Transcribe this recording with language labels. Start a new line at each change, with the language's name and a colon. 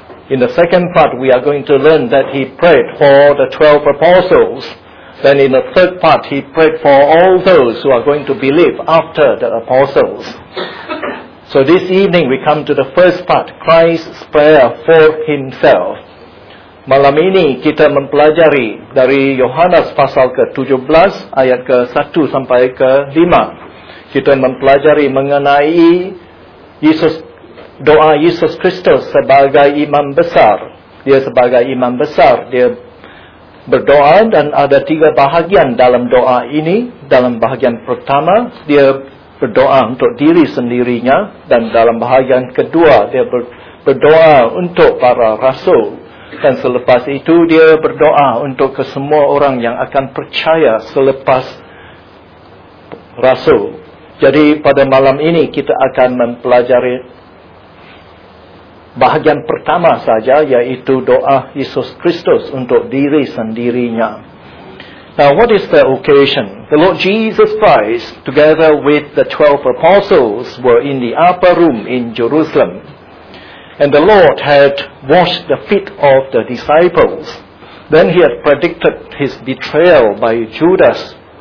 English: In the second part we are going to learn that he prayed for the 12 apostles. Then in the third part he prayed for all those who are going to believe after the apostles. So this evening we come to the first part, Christ's prayer for himself.
Malay: Malam ini kita mempelajari dari Yohanes pasal ke-17 ayat ke-1 sampai ke-5. Kita mempelajari mengenai Yesus, doa Yesus Kristus sebagai imam besar. Dia sebagai imam besar, dia berdoa dan ada tiga bahagian dalam doa ini. Dalam bahagian pertama, dia berdoa untuk diri sendirinya. Dan dalam bahagian kedua, dia berdoa untuk para rasul. Dan selepas itu, dia berdoa untuk kesemua orang yang akan percaya selepas rasul. Jadi pada malam ini kita akan mempelajari bahagian pertama saja, yaitu doa Yesus Kristus untuk diri sendirinya.
English: Now what is the occasion? The Lord Jesus Christ together with the 12 apostles were in the upper room in Jerusalem. And the Lord had washed the feet of the disciples. Then he had predicted his betrayal by Judas.